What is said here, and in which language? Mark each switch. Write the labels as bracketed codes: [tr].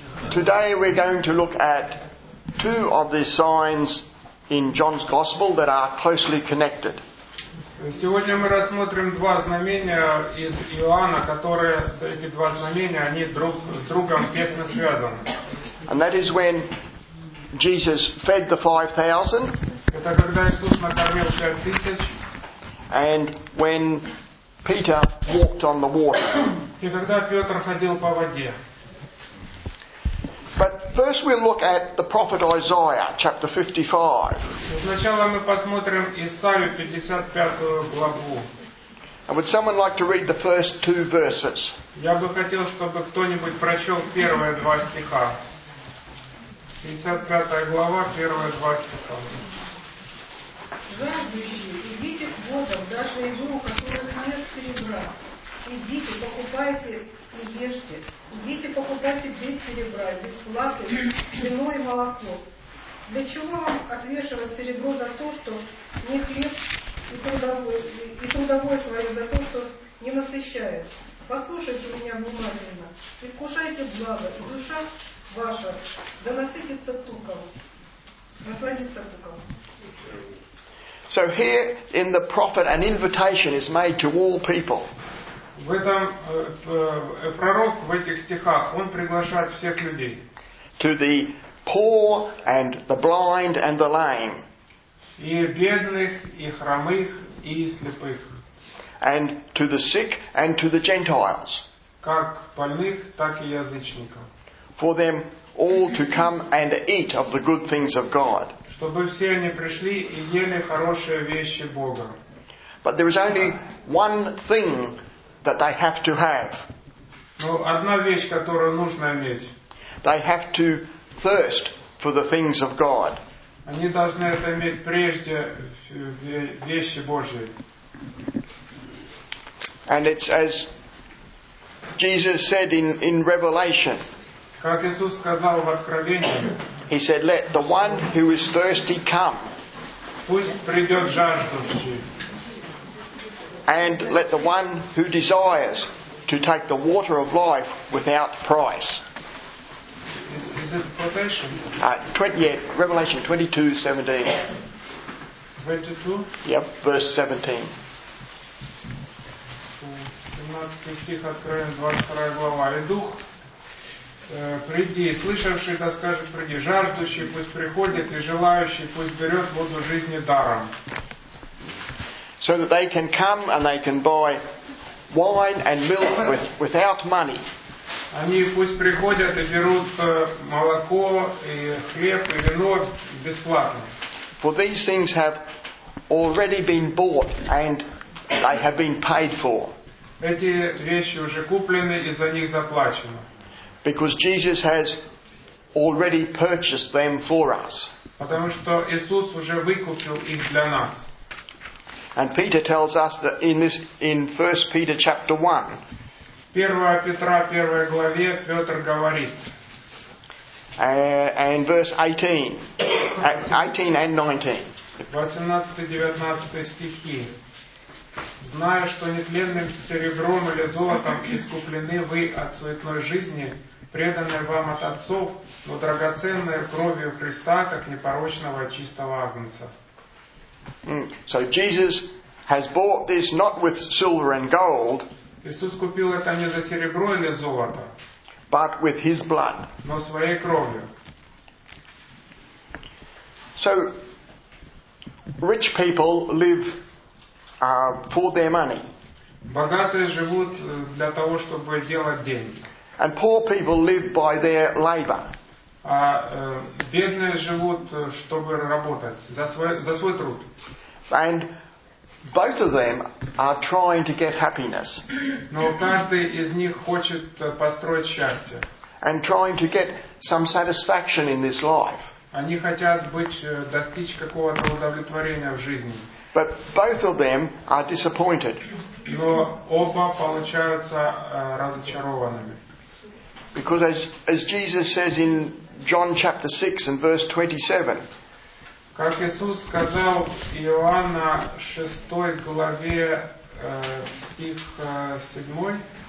[en] Today we're going to look at 2 of the signs in John's Gospel that are closely connected. [ru] Сегодня мы рассмотрим 2 знамения из Иоанна, которые эти 2 знамения, они друг с другом тесно связаны. [en] And that is when Jesus fed the 5,000. [ru] Это когда Иисус накормил 5,000. [en] And when Peter walked on the water. [ru] И когда Петр ходил по воде. [en] But first we'll look at the prophet Isaiah, chapter 55. [ru] Сначала мы посмотрим Исаию 55 главу. [en] And would someone like to read the first 2 verses? [ru] Я бы хотел, чтобы кто-нибудь прочел первые 2 стиха. 55 глава, первые 2 стиха. Жаждущие, идите к водам, даже иду, у которых нет серебра. Идите, покупайте и ешьте. Идите, покупайте без серебра, без платы, вино и молоко. Для чего вам отвешивать серебро за то, что не хлеб и трудовое свое, за то, что не насыщает? Послушайте меня внимательно и вкушайте благо, и душа ваша да насытится туком. Насладится туком. [en] So here in the prophet an invitation is made to all people. [ru] В этом пророк в этих стихах он приглашает всех людей. [en] To the poor and the blind and the lame. [ru] И бедных, и хромых, и слепых. [en] And to the sick and to the Gentiles. [ru] Как больных, так и язычников. [en] For them all to come and eat of the good things of God. [ru] Чтобы все они пришли и ели хорошие вещи Бога. [en] But there is only one thing that they have to have. [ru] Но одна вещь, которую нужно иметь. [en] They have to thirst for the things of God. [ru] Они должны это иметь прежде вещи Божьи. [en] And it's as Jesus said in Revelation. [ru] Как Иисус сказал в Откровении. [en] He said, "Let the one who is thirsty come. [ru] Пусть придет жаждущий. [en] And let the one who desires to take the water of life without price." Is it quotation? Revelation 22:17. 22? Yep, verse 17. [ru] 17 стих Откровения, 22 глава. И дух, приди, слышавший да скажет, приди, жаждущий пусть приходит, и желающий пусть берет воду жизни даром. [en] So that they can come and they can buy wine and milk without money. [ru] Они пусть приходят и берут молоко и хлеб и вино бесплатно. [en] For these things have already been bought and they have been paid for. [ru] Эти вещи уже куплены и за них заплачено. [en] Because Jesus has already purchased them for us. [ru] Потому что Иисус уже выкупил их для нас. [en] And Peter tells us that in 1 Peter chapter 1. [ru] 1 Петра 1 главе Петр говорит. [en] And verse 18 and 19. [ru] 18-19 стихи. Зная, что нетленным серебром или золотом искуплены вы от суетной жизни, преданной вам от отцов, но драгоценной кровью Христа, как непорочного и чистого агнца. [en] So Jesus has bought this not with silver and gold. [ru] Иисус купил это не за серебро или золото, [en] but with his blood. [ru] Но своей кровью. [en] So, rich people live for their money. [ru] Богатые живут для того, чтобы делать деньги. [en] And poor people live by their labor. [ru] А бедные живут, чтобы работать за свой труд. [en] And both of them are trying to get happiness. [ru] Но каждый из них хочет построить счастье. [en] And trying to get some satisfaction in this life. [ru] Они хотят достичь какого-то удовлетворения в жизни. [en] But both of them are disappointed. [ru] Но оба получаются разочарованными. [en] Because as Jesus says in John chapter 6 and verse 27. [ru] Как Иисус сказал Иоанна 6 главе стих 7.